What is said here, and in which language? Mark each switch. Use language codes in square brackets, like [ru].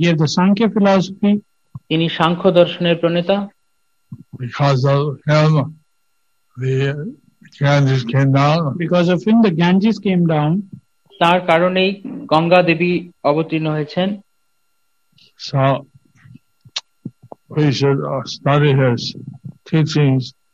[en] gave the Sankhya philosophy. [bn] তিনি সাংখ্য দর্শনের প্রণেতা. [en] Because of him, the Ganges came down. Because of him, the Ganges came down. [bn] তার কারণেই গঙ্গা দেবী অবতীর্ণ হয়েছেন. [en] So we should study his teachings.